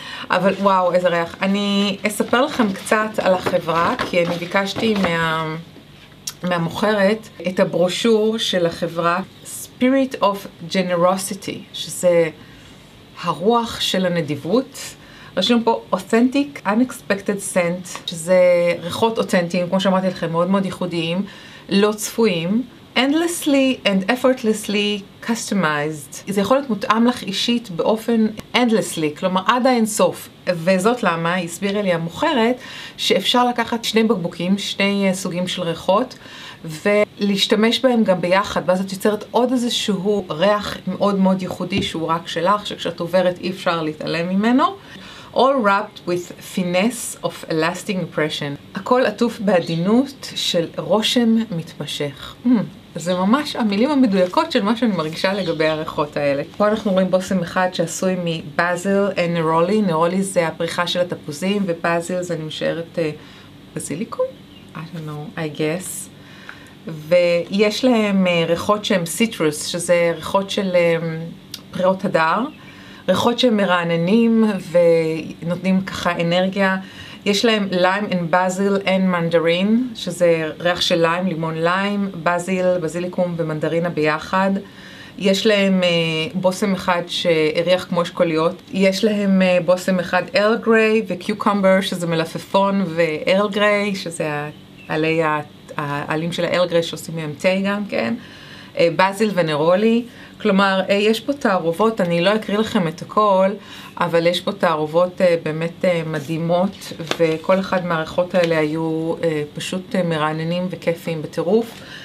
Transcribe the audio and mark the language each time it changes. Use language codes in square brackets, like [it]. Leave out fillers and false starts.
[he] אבל וואו, איזה ריח. אני אספר לכם קצת על החברה, כי אני ביקשתי מהמוכרת את הברושור של החברה Spirit of Generosity, שזה הרוח של הנדיבות. רשום פה [en] Authentic Unexpected Scent, [he] שזה ריחות אותנטיים, כמו שאמרתי לכם, מאוד מאוד ייחודיים, לא צפויים. [en] Endlessly and effortlessly customized. [he] זה יכול להיות מותאם לך אישית באופן endlessly, כלומר עד האינסוף. וזאת למה, הסבירה לי המוכרת, שאפשר לקחת שני בקבוקים, שני סוגים של ריחות, ולהשתמש בהם גם ביחד, ואז את יוצרת עוד איזשהו ריח מאוד מאוד ייחודי שהוא רק שלך, שכשאת עוברת אי אפשר להתעלם ממנו. [en] All wrapped with finesse of a lasting impression. [he] הכל עטוף בעדינות של רושם מתמשך. זה ממש המילים המדויקות של מה שאני מרגישה לגבי הריחות האלה. פה אנחנו רואים בושם אחד שעשוי מבאזל ונרולי. נרולי זה הפריחה של התפוזים, ובאזל זה, אני משערת, בזיליקום? [en] don't know, I guess. [he] ויש להם ריחות שהם citrus, שזה ריחות של פריאות הדר, ריחות שהם מרעננים ונותנים ככה אנרגיה. יש להם [en] lime and basil and mandarin, [he] שזה ריח של lime, לימון lime, basil, basilicum ומנדרינה ביחד. יש להם בוסם אחד שהריח כמו שקוליות. יש להם בוסם אחד Earl Grey וcucumber, שזה מלפפון, ו-Earl Grey, שזה עלי העלים של ה-Earl Grey שעושים מהם תה גם, כן? בזיל ונרולי. כלומר, יש פה תערובות, אני לא אקריא לכם את הכל, אבל יש פה תערובות באמת מדהימות, וכל אחד מהריחות האלה היו פשוט מרעננים וכיפים בטירוף.